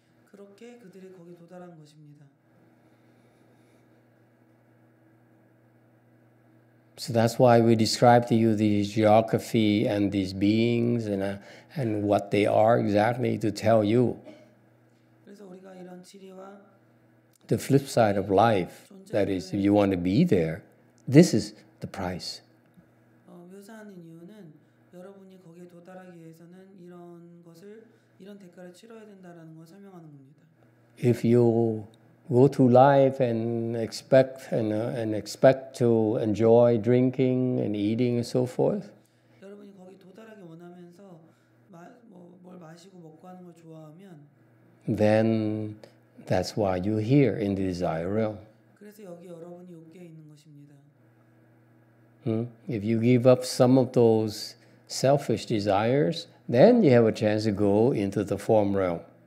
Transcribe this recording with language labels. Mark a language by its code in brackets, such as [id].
[ko] 그렇게 그들이 거기 도달한 것입니다. [en] So that's why we describe to you these geography and these beings and what they are exactly to tell you. [ko] 그래서 우리가 이런 지리와 [en] the flip side of life, that is, if you want to be there, this is the price. [ko] 하는 이유는 여러분이 거기에 도달하기 위해서는 이런 것을 이런 대가를 치러야 된다라는 걸 설명하는 겁니다. [en] If you go to life and expect and expect to enjoy drinking and eating and so forth. [ko] 여러분이 거기 도달하기 원하면서 뭘 마시고 먹고 하는 걸 좋아하면 [en] then that's why you're here in the desire realm. [ko] 그래서 여기 여러분이 욕계에 있는 것입니다. [en] If you give up some of those selfish desires, then you have a chance to go into the form realm.